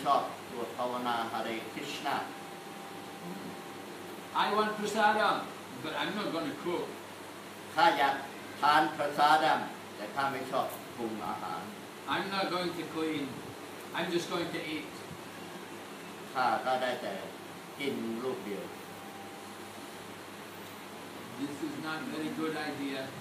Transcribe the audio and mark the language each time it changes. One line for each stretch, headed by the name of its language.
Thai: บางคนก็จะบอกว่าข้าอยากไปโกโลกวรินดาวันแต่ข้าไม่ชอบสวดภาวนาHare Krishna.
English: I want prasadam, but I'm not going to cook.
Thai: ข้าอยากทานพระสาดัมแต่ข้าไม่ชอบปรุงอาหาร.
English: I'm not going to clean. I'm just going to eat.
Thai: ข้าก็ได้แต่กินรูปเดียว
English: This is not a very good idea.